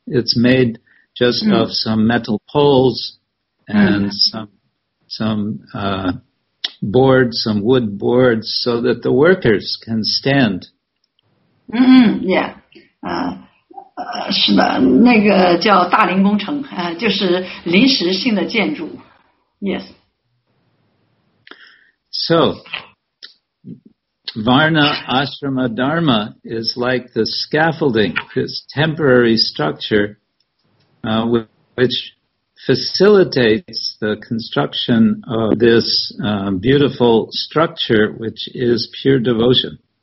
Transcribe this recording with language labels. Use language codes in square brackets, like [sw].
[en] It's made just of some metal poles and some wood boards so that the workers can stand. Yeah. [zh] 是的，那个叫大龄工程，就是临时性的建筑。 [en] Yes. So, Varna Ashrama Dharma is like the scaffolding, this temporary structure, which facilitates the construction of this beautiful structure, which is pure devotion.